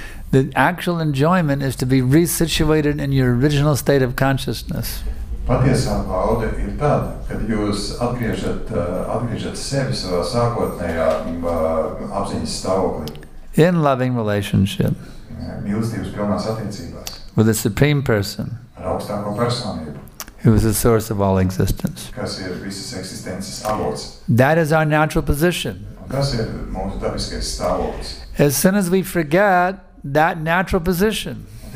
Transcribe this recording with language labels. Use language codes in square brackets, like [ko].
[en] The actual enjoyment is to be resituated in your original state of consciousness. [lv] Patiesā bauda ir tad, kad jūs atgriežat sevi savā sākotnējā apziņas stāvoklī. [en] In loving relationship. [lv] Mīlestības pilnās attiecībās. [en] With the Supreme Person. [lv] Ar augstāko personību. [en] Who is the source of all existence. [lv] Kas ir visas eksistences avots. [en] That is our natural position. [lv] Tas ir mūsu dabiskais stāvoklis. [en] As soon as we forget that natural position.